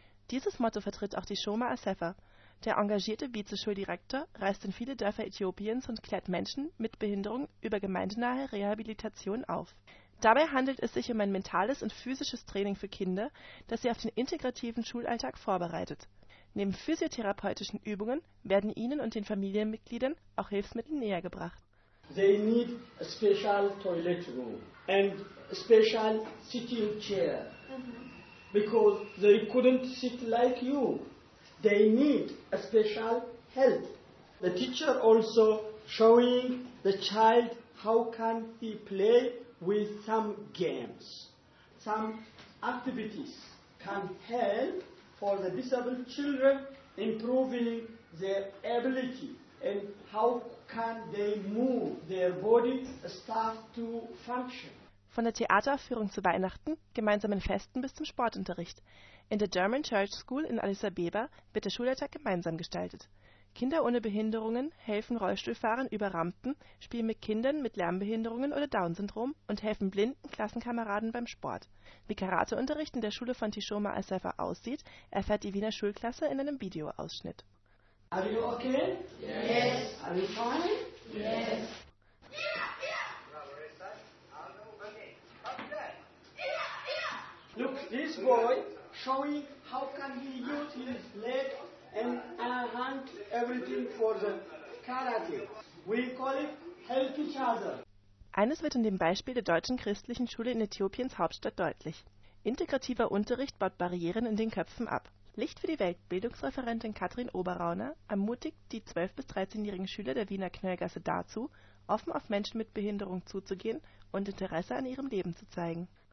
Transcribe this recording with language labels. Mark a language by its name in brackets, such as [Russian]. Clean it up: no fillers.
[German] Dieses Motto vertritt auch Tishoma Asefa. Der engagierte Vizeschuldirektor reist in viele Dörfer Äthiopiens und klärt Menschen mit Behinderung über gemeindenahe Rehabilitation auf. Dabei handelt es sich um ein mentales und physisches Training für Kinder, das sie auf den integrativen Schulalltag vorbereitet. Neben physiotherapeutischen Übungen werden ihnen und den Familienmitgliedern auch Hilfsmittel nähergebracht. [English] They need a special toilet room and a special sitting chair because they couldn't sit like you. They need a special help. The teacher also showing the child how can he play with some games. Some activities can help for the disabled children improving their ability and how can they move their body start to function. [German] Von der Theateraufführung zu Weihnachten, gemeinsamen Festen bis zum Sportunterricht. In der German Church School in Addis Abeba wird der Schulleiter gemeinsam gestaltet. Kinder ohne Behinderungen helfen Rollstuhlfahrern über Rampen, spielen mit Kindern mit Lernbehinderungen oder Down-Syndrom und helfen blinden Klassenkameraden beim Sport. Wie Karateunterricht in der Schule von Tishoma Asefa aussieht, erfährt die Wiener Schulklasse in einem Videoausschnitt. [English] Are you okay? Yes. Yes. Are you fine? Yes. Look, this boy showing how can he use his leg and hand everything for the karate. We call it help each other. [German] Eines wird in dem Beispiel der deutschen christlichen Schule in Äthiopiens Hauptstadt deutlich. Integrativer Unterricht baut Barrieren in den Köpfen ab. Licht für die Welt, Bildungsreferentin Katrin Oberrauner, ermutigt die 12- bis 13-jährigen Schüler der Wiener Knöllgasse dazu, offen auf Menschen mit Behinderung zuzugehen und Interesse an ihrem Leben zu zeigen.